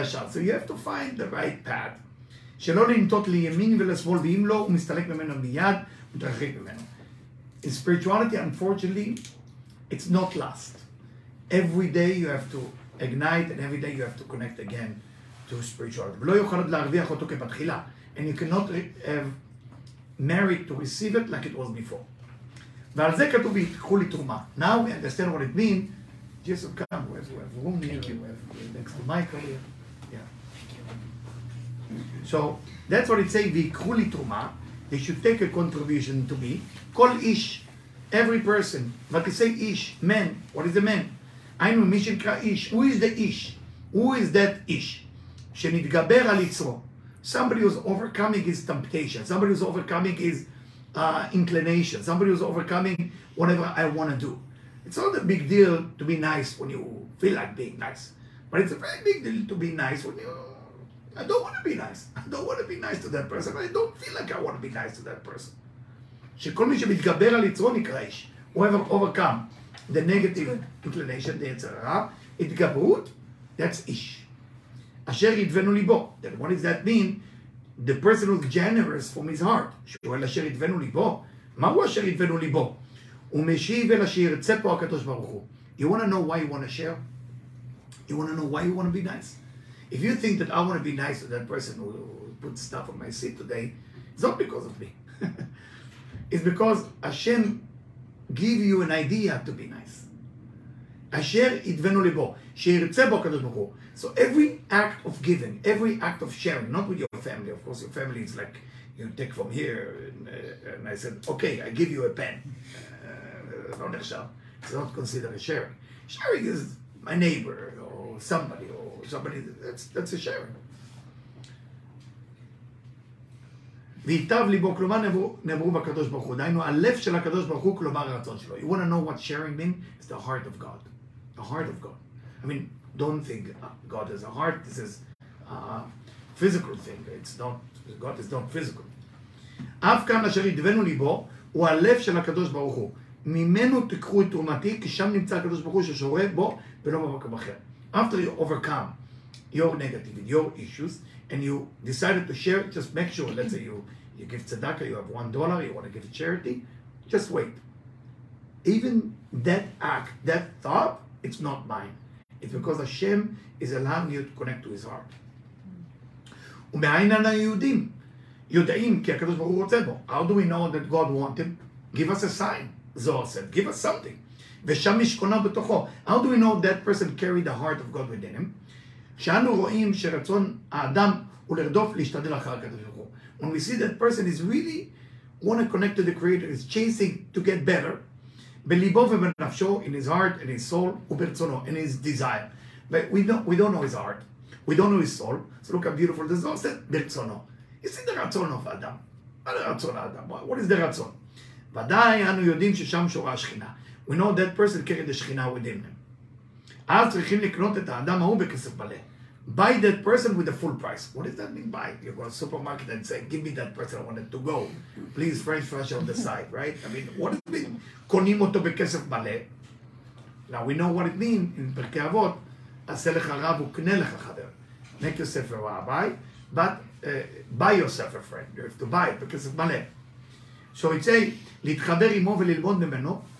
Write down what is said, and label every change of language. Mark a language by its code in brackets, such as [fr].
[en] So you have to find the right path. [he] שלא לנטות לימין ולשמאל, ואם לא, הוא מסתלק ממנו מיד, מתרחק ממנו. [en] In spirituality, unfortunately, it's not last. Every day you have to ignite, and every day you have to connect again to spirituality. [he] ולא יוכל עד להרוויח אותו כבתחילה. [en] And you cannot have merit to receive it like it was before. [he] ועל זה כתוב, יתקחו לי תרומה. [en] Now we understand what it means. Jesus, come, we have room here. Thank you. We have next to Michael here. So that's what it says, [he] ויקחו לי תרומה, [en] they should take a contribution to me, [he] כל איש, [en] every person, but they say איש, man, what is the man? [he] היינו מי שנקרא איש, [en] who is the [he] איש? [en] Who is that איש? [he] שנתגבר על יצרו, [en] somebody who's overcoming his temptation, somebody who's overcoming his inclination, somebody who's overcoming whatever I want to do. It's not a big deal to be nice when you feel like being nice, but it's a very big deal to be nice when you I don't want to be nice. I don't want to be nice to that person. I don't feel like I want to be nice to that person. [he] שכל מי שמתגבר על יצרו נקרא איש. [en] Whoever overcome the negative inclination, the יצרה, התגברות, that's איש. [he] אשר ידבנו ליבו. [en] Then what does that mean? The person who's generous from his heart. [he] שואל אשר ידבנו ליבו. מה הוא אשר ידבנו ליבו? הוא משיב אל אשר יצא פה הקדוש ברוך הוא. [en] You want to know why you want to share? You want to know why you want to be nice? If you think that I want to be nice to that person who put stuff on my seat today, it's not because of me. It's because Hashem gave you an idea to be nice. [he] Asher idvenu libo, sheirtze bo kadosh baruch hu. [en] So every act of giving, every act of sharing, not with your family, of course your family is like, you take from here, and I said, okay, I give you a pen. [he] Lo nechshav. [en] It's not considered a sharing. Sharing is my neighbor or somebody, that's a sharing. You want to know what sharing means? It's the heart of God. The heart of God. I mean, don't think God is a heart. This is a physical thing. It's not, God is not physical. [he] אף כאן אשר ידבנו ליבו הוא הלב של הקדוש ברוך הוא. ממנו תקחו את תרומתי כי שם נמצא הקדוש ברוך הוא ששורה בו ולא במקום אחר. [en] After you overcome your negativity, your issues, and you decided to share, just make sure, let's say you give tzedakah, you have $1, you want to give a charity, just wait. Even that act, that thought, it's not mine. It's because Hashem is allowing you to connect to his heart. [he] ומאין אנחנו יודעים? יודעים כי הקדוש ברוך הוא רוצה בו. [en] How do we know that God wants him? Give us a sign, Zohar said. Give us something. [he] ושם משכונה בתוכו. [en] How do we know that person carried the heart of God within him? [he] כשאנו רואים שרצון האדם הוא לרדוף להשתדל אחר הקדוש ברוך הוא. [en] When we see that person is really want to connect to the creator, is chasing to get better, [he] בליבו ובנפשו, [en] in his heart, in his soul, [he] וברצונו, [en] in his desire. But we don't know his heart. We don't know his soul. So look how beautiful this is. [he] ברצונו. [en] Is it the רצון of האדם? [he] מה הרצון האדם? [en] What is the רצון? [he] ודאי אנו יודעים ששם שורה השכינה. [en] We know that person carried the שכינה within him. [he] אז צריכים לקנות את האדם ההוא בכסף מלא. [en] Buy that person with the full price. What does that mean buy? You go to the supermarket and say, give me that person, I want it to go. Please, French fries on the side, right? I mean, what does it mean? [he] קונים אותו בכסף מלא. [en] Now we know what it means in פרקי אבות. [he] עשה לך רב וקנה לך חבר. [en] Make yourself a rabbi, but buy yourself a friend. You have to buy it [he] בכסף מלא. [en] So it says, [he] להתחבר עמו וללמוד ממנו.